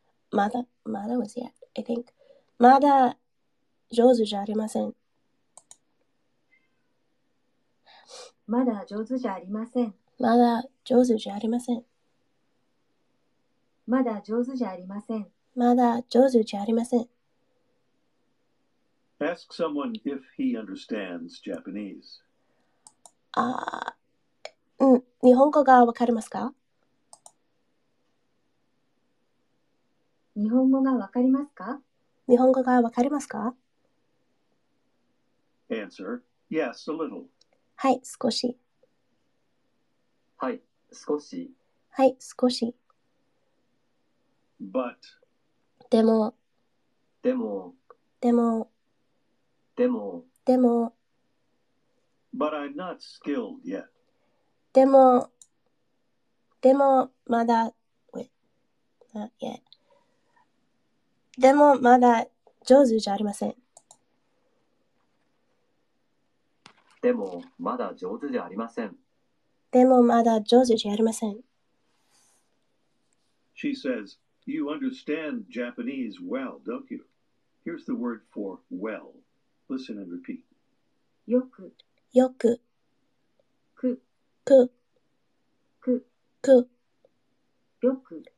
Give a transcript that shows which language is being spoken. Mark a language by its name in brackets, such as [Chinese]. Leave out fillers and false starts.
[Japanese] まだ、まだ [English] was yet, I think. [Japanese] まだ、上手じゃありません。まだ上手じゃありません。まだ上手じゃありません。まだ上手じゃありません。まだ上手じゃありません。 [English] Ask someone if he understands Japanese. [Japanese] うん、日本語がわかりますか？日本語がわかりますか？日本語がわかりますか？ [English] Answer: Yes, a little. [Japanese] はい、少し。はい、少し。はい、少し。 [English] But. [Japanese] でも。でも。でも。でも。でも。 [English] But I'm not skilled yet. [Japanese] でも、でも、まだ、 [English] wait, not yet. [Japanese] でも、まだ、上手じゃありません。でも、まだ、上手じゃありません。でも、まだ、上手じゃありません。 [English] She says, you understand Japanese well, don't you? Here's the word for well. Listen and repeat. [Japanese] よく、よく、く、く、く、よく、